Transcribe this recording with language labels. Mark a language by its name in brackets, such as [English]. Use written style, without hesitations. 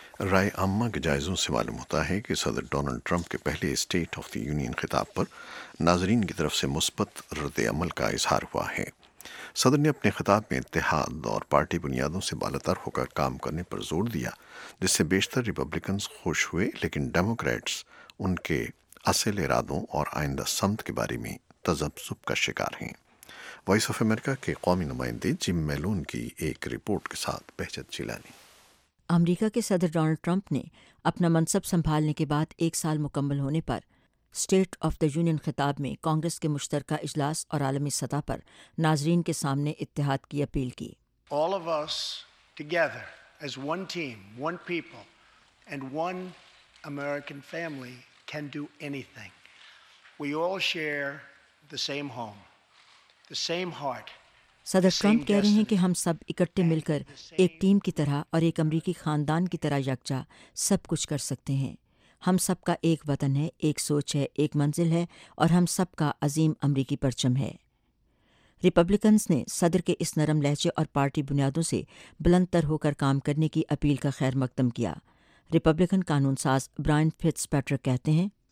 [Urdu] رائے عامہ کے جائزوں سے معلوم ہوتا ہے کہ صدر ڈونلڈ ٹرمپ کے پہلے اسٹیٹ آف دی یونین خطاب پر ناظرین کی طرف سے مثبت رد عمل کا اظہار ہوا ہے۔ صدر نے اپنے خطاب میں اتحاد اور پارٹی بنیادوں سے بالاتر ہو کر کام کرنے پر زور دیا، جس سے بیشتر ریپبلکنز خوش ہوئے، لیکن ڈیموکریٹس ان کے اصل ارادوں اور آئندہ سمت کے بارے میں تذبذب کا شکار ہیں۔ وائس آف امریکہ کے قومی نمائندے جم میلون کی ایک رپورٹ کے ساتھ بہجت جیلانی۔ امریکہ کے صدر ڈونلڈ ٹرمپ نے اپنا منصب سنبھالنے کے بعد ایک سال مکمل ہونے پر اسٹیٹ آف دی یونین خطاب میں کانگریس کے مشترکہ اجلاس اور عالمی سطح پر ناظرین کے سامنے اتحاد کی اپیل کی۔ [English] All of us together as one team, one people and one American family can do anything. We all share the same home, the same heart. [Urdu] صدر ٹرمپ کہہ رہے ہیں کہ ہم سب اکٹھے مل کر ایک ٹیم کی طرح اور ایک امریکی خاندان کی طرح یکجا سب کچھ کر سکتے ہیں۔ ہم سب کا ایک وطن ہے، ایک سوچ ہے، ایک منزل ہے، اور ہم سب کا عظیم امریکی پرچم ہے۔ ریپبلکنز نے صدر کے اس نرم لہجے اور پارٹی بنیادوں سے بلند تر ہو کر کام کرنے کی اپیل کا خیر مقدم کیا۔ ریپبلکن قانون ساز برائن فٹز پیٹرک کہتے ہیں،